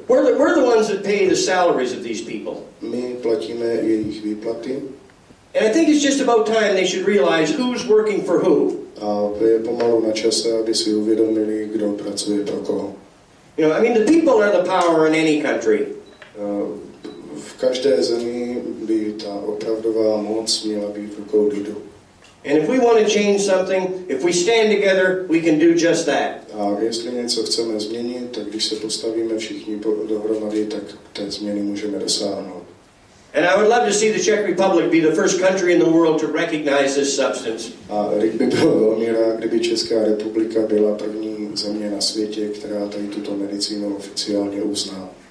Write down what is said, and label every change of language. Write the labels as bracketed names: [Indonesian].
[English] We're the ones that pay the salaries of these people. [Czech] My platíme jejich výplaty. [English] And I think it's just about time they should realize who's working for who. [Czech] A je pomalu na čase, aby si uvědomili, kdo pracuje pro koho. [English] You know, I mean, the people are the power in any country. [Czech] V každé zemi by ta opravdová moc měla být v rukou lidu. [English] And if we want to change something, if we stand together, we can do just that. [Czech] A jestli něco chceme změnit, tak když se postavíme všichni dohromady, tak té změny můžeme dosáhnout. [English] And I would love to see the Czech Republic be the first country in the world to recognize this substance. [Czech] A Rick by byl velmi rád, kdyby Česká republika byla první země na světě, která tady tuto medicínu oficiálně uzná.